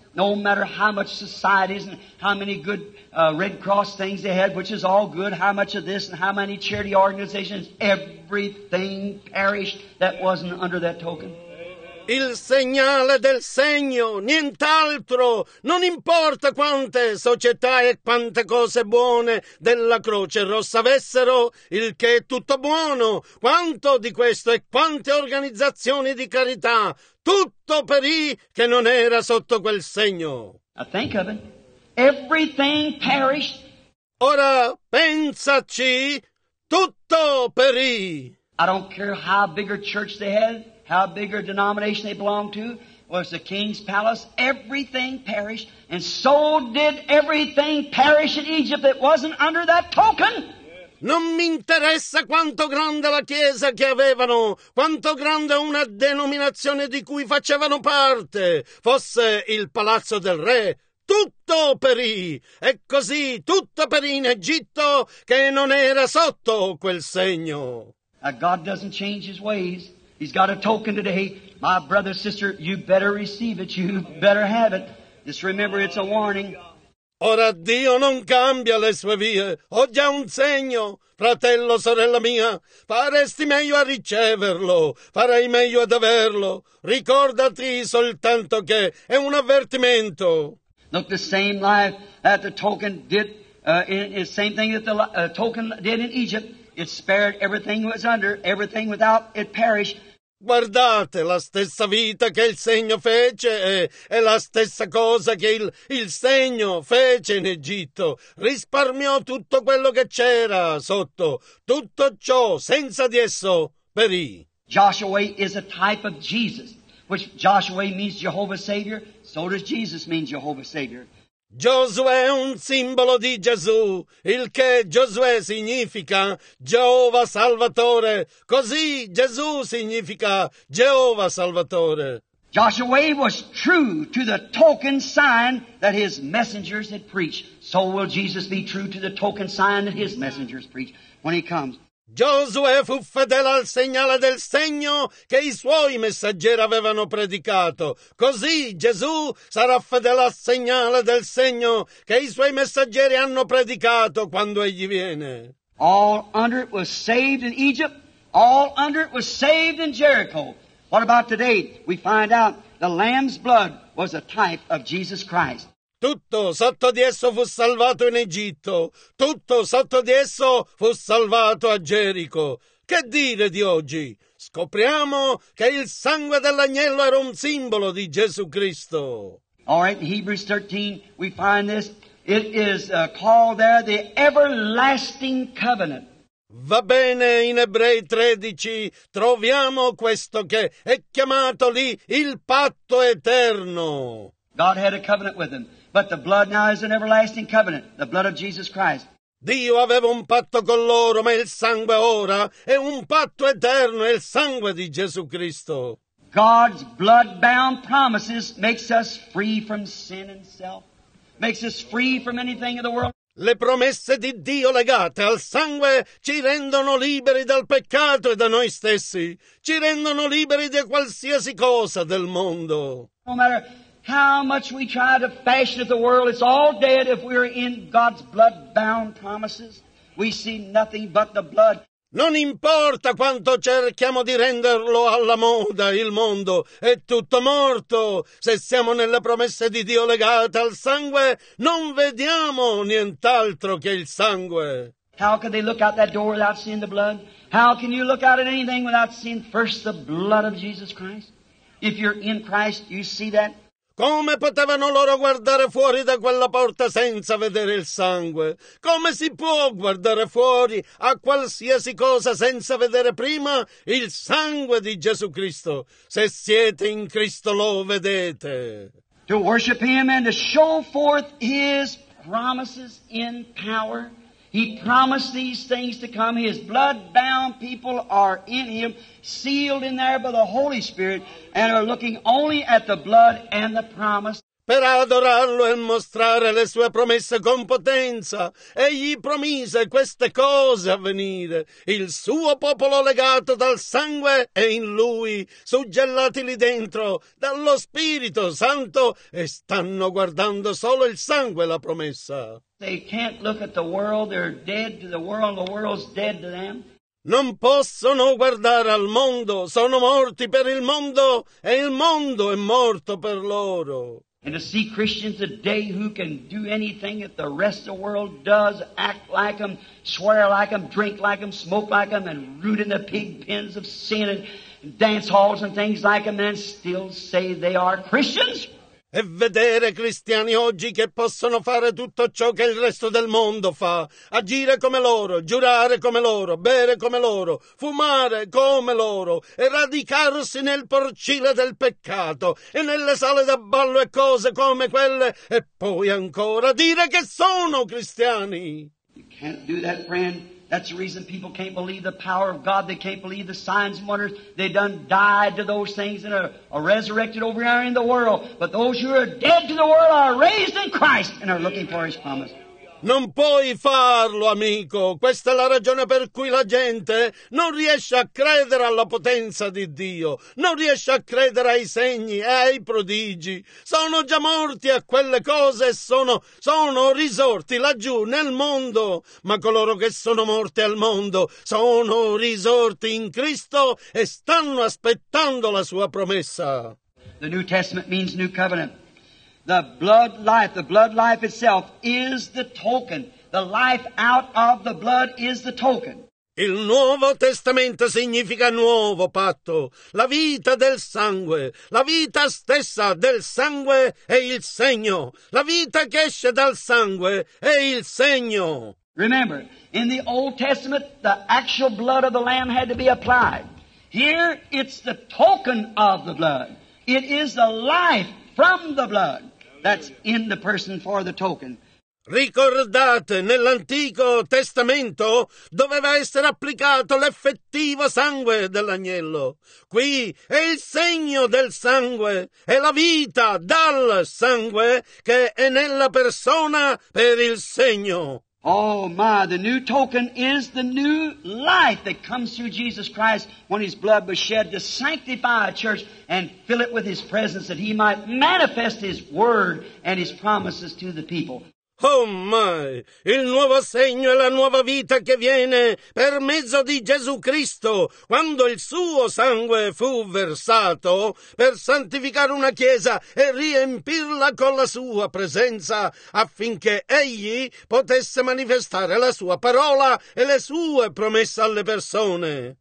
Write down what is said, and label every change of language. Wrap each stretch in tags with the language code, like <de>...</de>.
<en>No matter how much societies and how many good Red Cross things they had, which is all good, how much of this and how many charity organizations, everything perished that wasn't under that token.</en> <it>Il segnale del segno, nient'altro. Non importa quante società e quante cose buone della Croce Rossa avessero, il che è tutto buono. Quanto di questo e quante organizzazioni di carità, tutto perì che non era sotto quel segno.</it> <en>I think of it. Everything perished.</en> <it>Ora pensaci, tutto perì.</it> <en>I don't care how big a church they had. How big a denomination they belonged to was the king's palace. Everything perished, and so did everything perish in Egypt that wasn't under that token.</en> <it>Non mi interessa quanto grande la chiesa che avevano, quanto grande una denominazione di cui facevano parte, fosse il palazzo del re. Tutto perì, e così tutto perì in Egitto che non era sotto quel segno.</it> <en>God doesn't change his ways. He's got a token today. My brother, sister, you better receive it. You better have it. Just remember, it's a warning.</en> <it>Ora Dio non cambia le sue vie. Ho già un segno, fratello, sorella mia. Faresti meglio a riceverlo. Farei meglio ad averlo. Ricordati soltanto che è un avvertimento.</it> <en>Look, the same life that the token did, is same thing that the token did in Egypt. It spared everything was under, everything without it perished.</en> <it>Guardate, la stessa vita che il segno fece è la stessa cosa che il segno fece in Egitto. Risparmiò tutto quello che c'era sotto. Tutto ciò senza di esso perì.</it> <en>Joshua is a type of Jesus, which Joshua means Jehovah's Savior. So does Jesus mean Jehovah's Savior.</en> <it>Giosuè è un simbolo di Gesù, il che Giosuè significa Geova Salvatore. Così Gesù significa Geova Salvatore.</it> <en>Joshua was true to the token sign that his messengers had preached. So will Jesus be true to the token sign that his messengers preach when he comes.</en> <it>Giosuè fu fedele al segnale del segno che i suoi messaggeri avevano predicato. Così Gesù sarà fedele al segnale del segno che i suoi messaggeri hanno predicato quando egli viene.</it> <en>All under it was saved in Egypt. All under it was saved in Jericho. What about today? We find out the Lamb's blood was a type of Jesus Christ.</en> <it>Tutto sotto di esso fu salvato in Egitto. Tutto sotto di esso fu salvato a Gerico. Che dire di oggi? Scopriamo che il sangue dell'agnello era un simbolo di Gesù Cristo.</it> <en>All right, in Hebrews 13 we find this. It is called there the everlasting covenant.</en> <it>Va bene, in Ebrei 13 troviamo questo che è chiamato lì il patto eterno.</it> <en>God had a covenant with him. But the blood now is an everlasting covenant, the blood of Jesus Christ.</en> <it>Dio aveva un patto con loro, ma il sangue ora è un patto eterno, è il sangue di Gesù Cristo.</it> <en>God's blood-bound promises makes us free from sin and self, makes us free from anything in the world.</en> <it>Le promesse di Dio legate al sangue ci rendono liberi dal peccato e da noi stessi, ci rendono liberi da qualsiasi cosa del mondo.</it> <en>No matter how much we try to fashion the world, it's all dead if we're in God's blood-bound promises. We see nothing but the blood.</en> <it>Non importa quanto cerchiamo di renderlo alla moda, il mondo è tutto morto. Se siamo nelle promesse di Dio legate al sangue, non vediamo nient'altro che il sangue.</it> <en>How can they look out that door without seeing the blood? How can you look out at anything without seeing first the blood of Jesus Christ? If you're in Christ, you see that.</en> <it>Come potevano loro guardare fuori da quella porta senza vedere il sangue? Come si può guardare fuori a qualsiasi cosa senza vedere prima il sangue di Gesù Cristo? Se siete in Cristo, lo vedete.</it> <en>To worship Him and to show forth His promises in power. He promised these things to come. His blood-bound people are in Him, sealed in there by the Holy Spirit, and are looking only at the blood and the promise.</en> <it>per adorarlo e mostrare le sue promesse con potenza. Egli promise queste cose a venire. Il suo popolo legato dal sangue è in lui, suggellati lì dentro dallo Spirito Santo, e stanno guardando solo il sangue e la promessa.</it> <en>They can't look at the world, they're dead to the world, the world's dead to them.</en> <it>Non possono guardare al mondo, sono morti per il mondo e il mondo è morto per loro.</it> <en>And to see Christians today who can do anything that the rest of the world does, act like them, swear like them, drink like them, smoke like them, and root in the pig pens of sin and dance halls and things like them, and still say they are Christians?</en> <it>E vedere cristiani oggi che possono fare tutto ciò che il resto del mondo fa, agire come loro, giurare come loro, bere come loro, fumare come loro, e radicarsi nel porcile del peccato e nelle sale da ballo e cose come quelle, e poi ancora dire che sono cristiani.</it> <en>You can't do that, friend. That's the reason people can't believe the power of God. They can't believe the signs and wonders. They done died to those things and are resurrected over here in the world. But those who are dead to the world are raised in Christ and are looking for His promise.</en> <it>Non puoi farlo, amico. Questa è la ragione per cui la gente non riesce a credere alla potenza di Dio, non riesce a credere ai segni e ai prodigi. Sono già morti a quelle cose e sono risorti laggiù nel mondo. Ma coloro che sono morti al mondo sono risorti in Cristo e stanno aspettando la sua promessa.</it> <en>The New Testament means New Covenant. The blood life itself is the token. The life out of the blood is the token.</en> <it>Il Nuovo Testamento significa nuovo patto. La vita del sangue, la vita stessa del sangue è il segno. La vita che esce dal sangue è il segno.</it> <en>Remember, in the Old Testament, the actual blood of the Lamb had to be applied. Here, it's the token of the blood. It is the life from the blood. That's in the person for the token.</en> <it>Ricordate, nell'Antico Testamento doveva essere applicato l'effettivo sangue dell'agnello. Qui è il segno del sangue, è la vita dal sangue che è nella persona per il segno.</it> <en>Oh my, the new token is the new life that comes through Jesus Christ when His blood was shed to sanctify a church and fill it with His presence that He might manifest His word and His promises to the people. Oh my,</en> <it>il nuovo segno è la nuova vita che viene per mezzo di Gesù Cristo quando il suo sangue fu versato per santificare una chiesa e riempirla con la sua presenza affinché egli potesse manifestare la sua parola e le sue promesse alle persone.</it>